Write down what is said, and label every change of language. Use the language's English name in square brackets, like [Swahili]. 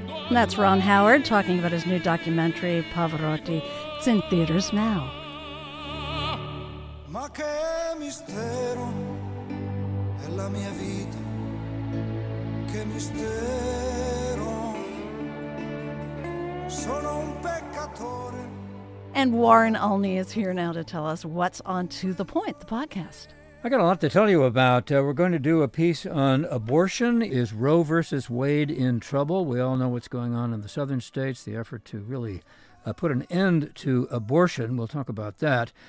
[English] That's Ron Howard talking about his new documentary, Pavarotti. It's in theaters now. [Italian] Ma che mistero è la mia vita, che mistero, sono un peccatore. [English] And Warren Olney is here now to tell us what's on To The Point, the podcast. I got a lot to tell you about. We're going to do a piece on abortion. Is Roe versus Wade in trouble? We all know what's going on in the southern states, the effort to really put an end to abortion. We'll talk about that.